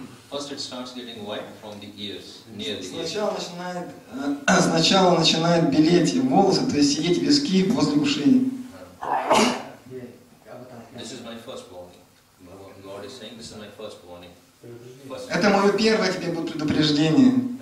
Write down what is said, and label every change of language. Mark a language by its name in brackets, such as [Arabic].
[English] First it starts getting white from the ears, near the ears. [Russian] Сначала начинает белеть волосы, то есть сидеть виски возле ушей. [English] This is my first warning. Lord is saying, this is my first warning. [Russian] Это мое первое тебе будет предупреждение.